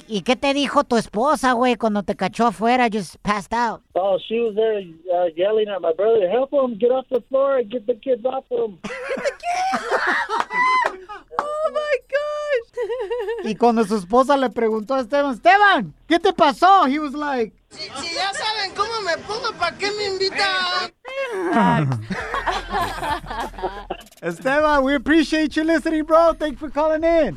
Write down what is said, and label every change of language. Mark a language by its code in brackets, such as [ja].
[es] ¿Y qué te dijo tu esposa, güey, cuando te cachó afuera? [en] Just passed out. Oh, she was there yelling at my brother, help him, get off the floor, and get the kids off him. Get the kids off him! Oh, my gosh! [es] Y cuando su esposa le preguntó a Esteban, ¿qué te pasó? [en] He was like, [es] si ya saben cómo me pongo, ¿para qué me invitan? [en] Esteban, we appreciate you listening, bro. Thanks for calling in.